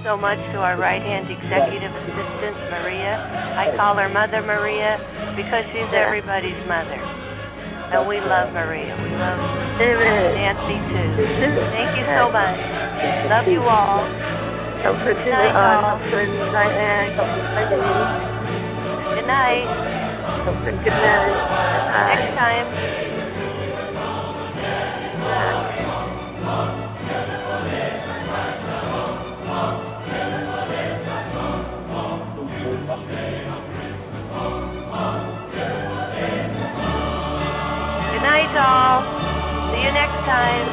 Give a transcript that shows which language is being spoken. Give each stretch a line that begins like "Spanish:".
English: so much to our right-hand executive assistant, Maria. I call her Mother Maria because she's everybody's mother. And we love Maria. We love Nancy, too. Thank you so much. Love you all.
Thai: ขอบคุณที่ขอบคุณนายแอนขอบคุณแม่เดลี่
English: Good night ขอบคุณ Good night Next time Good night, all. See you next time.